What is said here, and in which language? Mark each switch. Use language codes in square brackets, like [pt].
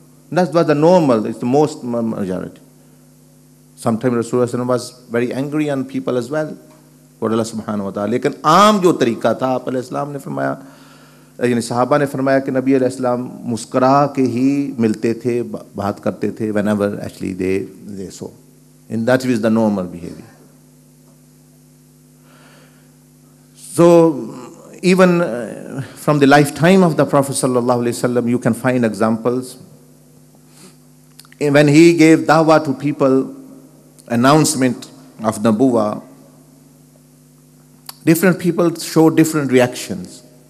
[en] That was the normal, it's the most majority. Sometimes Rasulullah sallallahu alaihi wasallam was very angry on people as well, [ur] اللہ سبحانہ و تعالیٰ, لیکن عام جو طریقہ تھا, آپ علیہ السلام نے فرمایا یعنی صحابہ نے فرمایا کہ نبی علیہ السلام مسکرا کے ہی ملتے تھے بات کرتے تھے [en] whenever actually they saw. And that was the normal behavior. So even from the lifetime of the Prophet sallallahu alaihi wasallam, you can find examples. When he gave dawah to people, announcement of Nabuwa, different people show different reactions.